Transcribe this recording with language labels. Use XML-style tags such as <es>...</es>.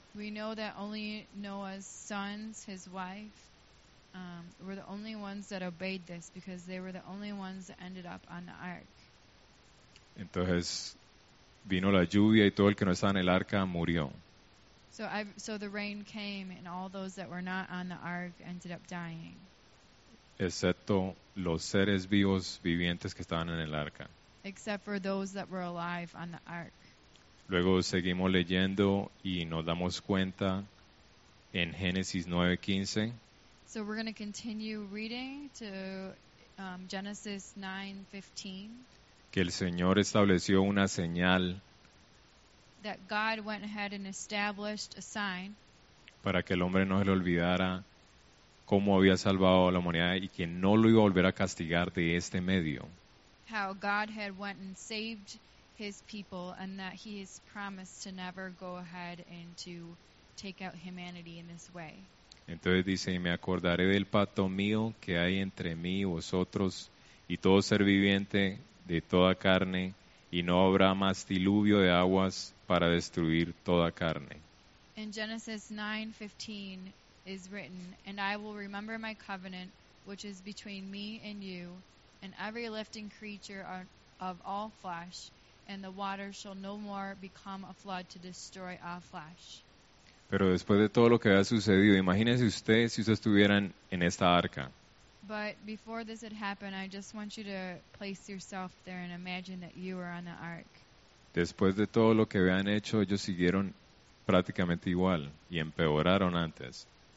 <en>We know that only Noah's sons, his wife, were the only ones that obeyed this because they were the only ones that ended up on the ark.</en> <es>Entonces vino la lluvia y todo el que no estaba en el arca murió.</es> <en>So the rain came and all those that were not on the ark ended up dying.</en> <es>Excepto los seres vivos vivientes que estaban en el arca.</es> <en>Except for those that were alive on the ark.</en> <es>Luego seguimos leyendo y nos damos cuenta en Génesis 9:15.</es> <en>So we're going to continue reading to Genesis 9:15.</en> <es>Que el Señor estableció una señal.</es> <en>That God went ahead and established a sign.</en> <es>Para que el hombre no se le olvidara cómo había salvado a la humanidad y que no lo iba a volver a castigar de este medio.</es> <en>How God had went and saved his people and that he has promised to never go ahead and to take out humanity in this way.</en> <es>Entonces dice, y me acordaré del pacto mío que hay entre mí y vosotros y todo ser viviente de toda carne, y no habrá más diluvio de aguas para destruir toda carne.</es> <en>In Genesis 9:15 is written, and I will remember my covenant, which is between me and you, and every living creature of all flesh, and the water shall no more become a flood to destroy all flesh.</en> <es>Pero después de todo lo que había sucedido, imagínese usted si usted estuviera en esta arca.</es> <en>But before this had happened, I just want you to place yourself there and imagine that you were on the ark.</en> <es>Después de todo lo que habían hecho, ellos siguieron prácticamente igual y empeoraron antes.</es>